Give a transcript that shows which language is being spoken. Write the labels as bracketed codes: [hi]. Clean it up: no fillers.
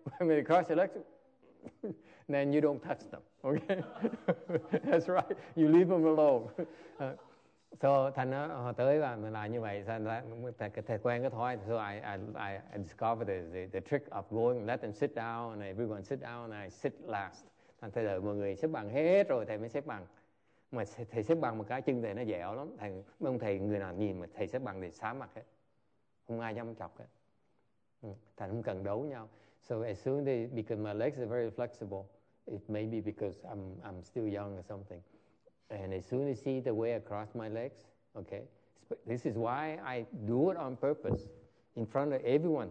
[en] When they cross the legs, then you don't touch them. Okay? That's right. You leave them alone. [vi] So thành họ tới và mình làm như vậy, thầy quen cái thói. [en] So I discovered the trick of going, let them sit down, and everyone sit down, and I sit last. [vi] Thành thầy đợi mọi người xếp bằng hết rồi thầy mới xếp bằng. Mà thầy xếp bằng một cái chân thầy nó dẻo lắm. Thầy mong thầy người nào nhìn mà thầy xếp bằng thì xám mặt hết, không ai dám chọc hết. Thầy không cần đấu nhau. [en] So as soon as they, because my legs are very flexible, it may be because I'm still young or something. And as soon as you see the way I cross my legs, okay, this is why I do it on purpose in front of everyone.